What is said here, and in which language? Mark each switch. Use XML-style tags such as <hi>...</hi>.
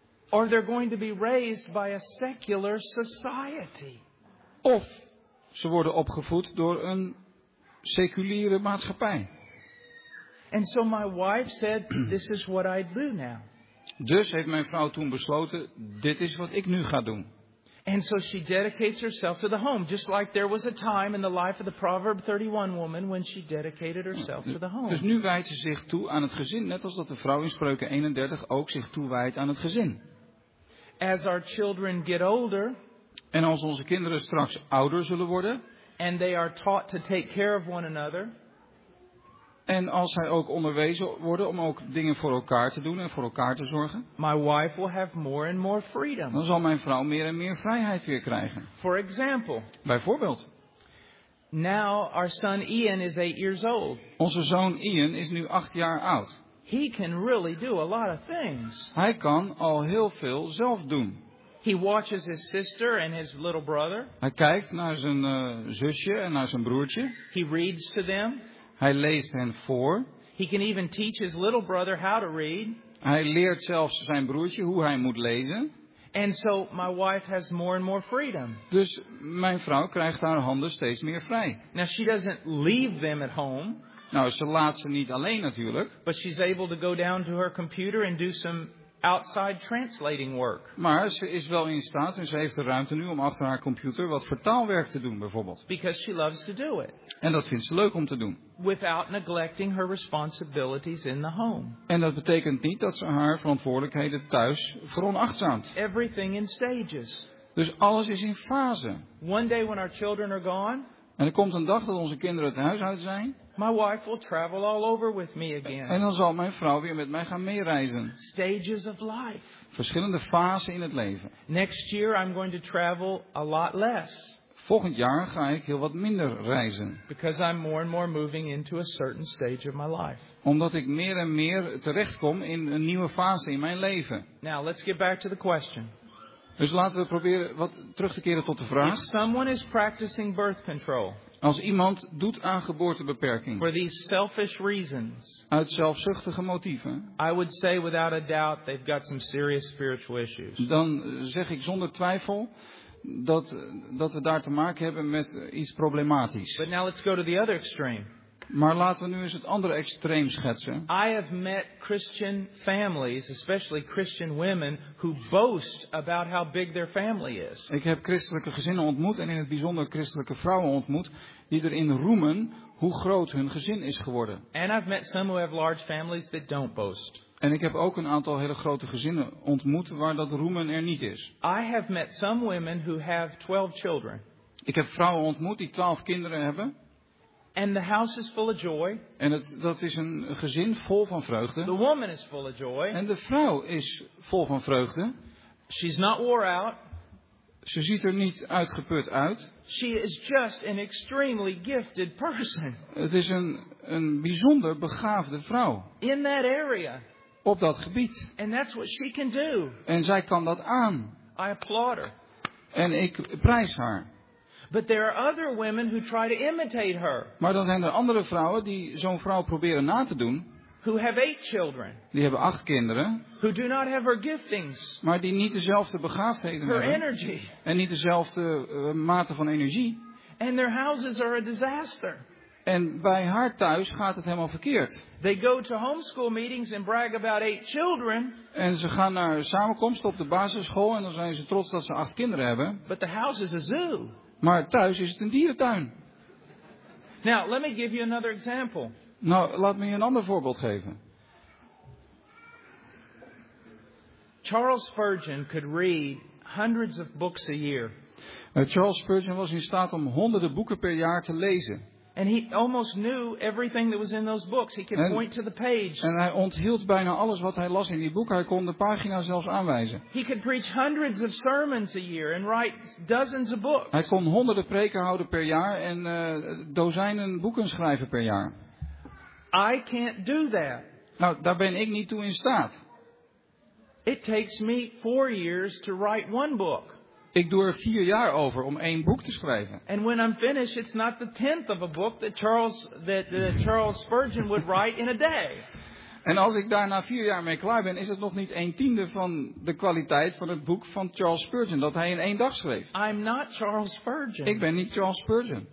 <en>Or they're going to be raised by a secular society.</en> <nl>Of ze worden opgevoed door een seculiere maatschappij.</nl> <en>And so my wife said, "This is what I do now."</en> <nl>Dus heeft mijn vrouw toen besloten, dit is wat ik nu ga doen.</nl> <en>And so she dedicates herself to the home, just like there was a time in the life of the Proverb 31 woman when she dedicated herself to the home.</en> <nl>Dus nu wijdt ze zich toe aan het gezin, net als dat de vrouw in Spreuken 31 ook zich toewijdt aan het gezin.</nl> <en>As our children get older,</en> <nl>en als onze kinderen straks ouder zullen worden,</nl> <en>and they are taught to take care of one another.</en> <nl>En als zij ook onderwezen worden om ook dingen voor elkaar te doen en voor elkaar te zorgen.</nl> <en>My wife will have more and more freedom.</en> <nl>Dan zal mijn vrouw meer en meer vrijheid weer krijgen.</nl> <en>For example,</en> <nl>bijvoorbeeld.</nl> <en>Now our son Ian is 8 years old.</en> <nl>Onze zoon Ian is nu 8 jaar oud.</nl> <en>He can really do a lot of things.</en> <nl>Hij kan al heel veel zelf doen.</nl> <en>He watches his sister and his little brother.</en> <nl>Hij kijkt naar zijn zusje en naar zijn broertje.</nl> <en>He reads to them.</en> <nl>Hij leest hen voor.</nl> <en>He can even teach his little brother how to read.</en> <nl>Hij leert zelfs zijn broertje hoe hij moet lezen.</nl> <en>And so my wife has more and more freedom.</en> <nl>Dus mijn vrouw krijgt haar handen steeds meer vrij.</nl> <en>Now she doesn't leave them at home.</en> <nl>Nou, ze laat ze niet alleen natuurlijk.</nl> <en>But she's able to go down to her computer and do some outside translating work.</en> <nl>Maar ze is wel in staat en ze heeft de ruimte nu om achter haar computer wat vertaalwerk te doen bijvoorbeeld.</nl> <en>Because she loves to do it.</en> <nl>En dat vindt ze leuk om te doen.</nl> <en>Without neglecting her responsibilities in the home.</en> <nl>En dat betekent niet dat ze haar verantwoordelijkheden thuis veronachtzaamt.</nl> <en>Everything in stages.</en> <nl>Dus alles is in fase.</nl> <en>One day when our children are gone.</en> <nl>En er komt een dag dat onze kinderen het huis uit zijn.</nl> <en>My wife will travel all over with me again.</en> <nl>En dan zal mijn vrouw weer met mij gaan meereizen.</nl> <en>Stages of life.</en> <nl>Verschillende fasen in het leven.</nl> <en>Next year I'm going to travel a lot less.</en> <nl>Volgend jaar ga ik heel wat minder reizen.</nl> <en>Because I'm more and more moving into a certain stage of my life.</en> <nl>Omdat ik meer en meer terechtkom in een nieuwe fase in mijn leven.</nl> <en>Now let's get back to the question.</en> <nl>Dus laten we proberen wat terug te keren tot de vraag.</nl> <en>If someone is practicing birth control.</en> <nl>Als iemand doet aan geboortebeperking.</nl> <en>For these selfish reasons.</en> <nl>Uit zelfzuchtige motieven.</nl> <en>I would say without a doubt they've got some serious spiritual issues.</en> <nl>Dan zeg ik zonder twijfel dat we daar te maken hebben met iets problematisch.</nl> <en>But now let's go to the other extreme.</en> <nl>Maar laten we nu eens het andere extreem schetsen.</nl> <en>I have met Christian families, especially Christian women, who boast about how big their family is.</en> <nl>Ik heb christelijke gezinnen ontmoet en in het bijzonder christelijke vrouwen ontmoet die erin roemen hoe groot hun gezin is geworden.</nl> <en>And I've met some who have large families that don't boast.</en> <nl>En ik heb ook een aantal hele grote gezinnen ontmoet waar dat roemen er niet is.</nl> <en>I have met some women who have 12 children.</en> <nl>Ik heb vrouwen ontmoet die 12 kinderen hebben.</nl> <en>And the house is full of joy.</en> <nl>En dat is een gezin vol van vreugde.</nl> <en>The woman is full of joy.</en> <nl>En de vrouw is vol van vreugde.</nl> <en>She's not wore out.</en> <nl>Ze ziet er niet uitgeput uit.</nl> <en>She is just an extremely gifted person.</en> <nl>Het is een bijzonder begaafde vrouw.</nl> <en>In that area.</en> <nl>Op dat gebied.</nl> <en>And that's what she can do.</en> <nl>En zij kan dat aan.</nl> <en>I applaud her.</en> <nl>En ik prijs haar.</nl> <en>But there are other women who try to imitate her.</en> <nl>Maar dan zijn er andere vrouwen die zo'n vrouw proberen na te doen.</nl> <en>Who have 8 children.</en> <nl>Die hebben 8 kinderen.</nl> <en>Who do not have her giftings.</en> <nl>Maar die niet dezelfde begaafdheden</nl> <en>her</en> <nl>hebben.</nl> <en>Energy.</en> <nl>En niet dezelfde mate van energie.</nl> <en>And their houses are a disaster.</en> <nl>En bij haar thuis gaat het helemaal verkeerd.</nl> <en>They go to homeschool meetings and brag about 8 children.</en> <nl>En ze gaan naar samenkomsten op de basisschool en dan zijn ze trots dat ze 8 kinderen hebben.</nl> <en>But the house is a zoo.</en> <nl>Maar thuis is het een dierentuin.</nl> <en>Now, let me give you another example.</en> <nl>Nou, laat me je een ander voorbeeld geven.</nl> <en>Charles Spurgeon could read hundreds of books a year.</en> <nl>Charles Spurgeon was in staat om honderden boeken per jaar te lezen.</nl> <en>And he almost knew everything that was in those books. He could point to the page.</en> <nl>En hij onthield bijna alles wat hij las in die boek. Hij kon de pagina zelfs aanwijzen.</nl> <en>He could preach hundreds of sermons a year and write dozens of books.</en> <nl>Hij kon honderden preken houden per jaar en dozijnen boeken schrijven per jaar.</nl> <en>I can't do that.</en> <nl>Nou, daar ben ik niet toe in staat.</nl> <en>It takes me 4 years to write one book.</en> <nl>Ik doe er 4 jaar over om 1 boek te schrijven.</nl> <en>And when I'm finished, it's not the tenth of a book that Charles Spurgeon would write in a day.</en> <nl>En als ik daar na 4 jaar mee klaar ben, is het nog niet 1/10 van de kwaliteit van het boek van Charles Spurgeon dat hij in 1 dag schreef.</nl> <en>I'm not Charles Spurgeon.</en> <nl>Ik ben niet Charles Spurgeon.</nl>